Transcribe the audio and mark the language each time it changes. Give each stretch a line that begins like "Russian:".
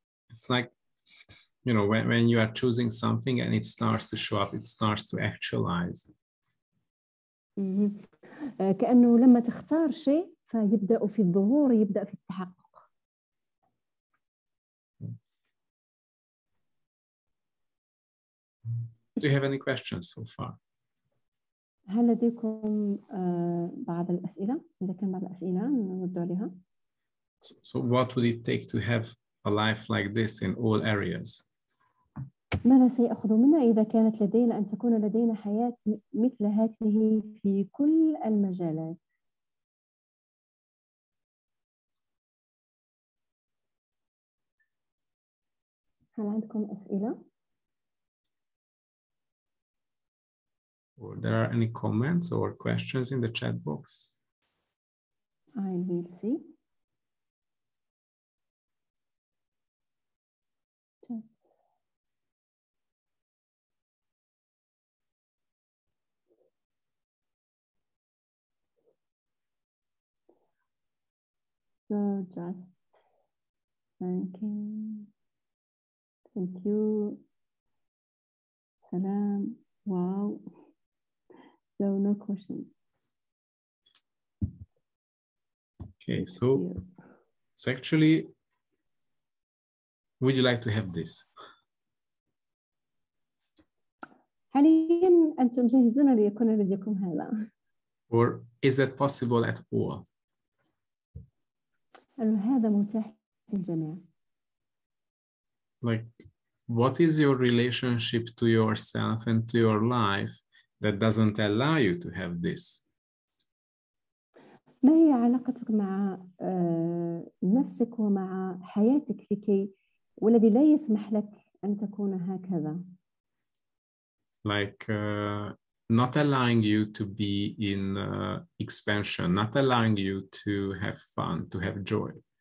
English: It's like, you know, when you are choosing something and it starts to show up, it starts to actualize.
Arabic: كأنه لما تختار شيء فيبدأ في الظهور، يبدأ في التحقق.
English: Do you have any questions so far?
Arabic: هل لديكم بعض الأسئلة؟ إذا كان بعض الأسئلة نرد عليها.
English: So what would it take to have a life like this in all areas?
Arabic: ماذا سيأخذ منا إذا كانت لدينا أن تكون لدينا حياة مثل هذه في كل المجالات؟ هل عندكم أسئلة؟
English: Or there are any comments or questions in the chat box? I will see. So just thanking. Thank you. Salam. Wow. So no questions. Okay, so actually, would you like to have this?
Arabic: حالياً أنتم جاهزون ليكون لديكم هذا.
English: Or is that possible at all?
Arabic: هذا متاح للجميع.
English: Like, what is your relationship to yourself and to your life that doesn't allow you to have this?
Arabic: ما هي علاقتك مع نفسك ومع حياتك لكي والذي لا يسمح لك أن تكون هكذا؟
English: Like, not allowing you to be in expansion, not allowing you to have fun, to have joy.